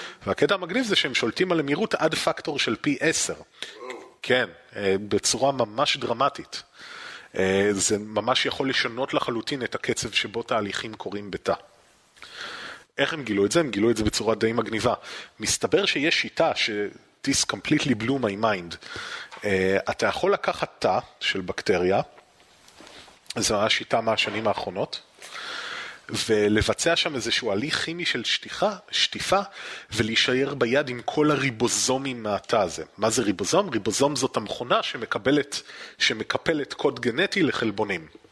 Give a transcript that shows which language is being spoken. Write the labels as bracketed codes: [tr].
[he] והקטע המגניב זה שהם שולטים על המהירות עד פקטור של פי 10. כן, בצורה ממש דרמטית. זה ממש יכול לשנות לחלוטין את הקצב שבו תהליכים קורים בתא. איך הם גילו את זה? הם גילו את זה בצורה די מגניבה. מסתבר שיש שיטה ש- [en] this completely blew my mind. [he] אתה יכול לקחת תא של בקטריה, זו השיטה מהשנים האחרונות, ולבצע שם איזשהו הליך כימי של שטיפה, ולהישאר ביד עם כל הריבוזומים מהתא הזה. מה זה ריבוזום? ריבוזום זאת המכונה שמקפלת קוד גנטי לחלבונים.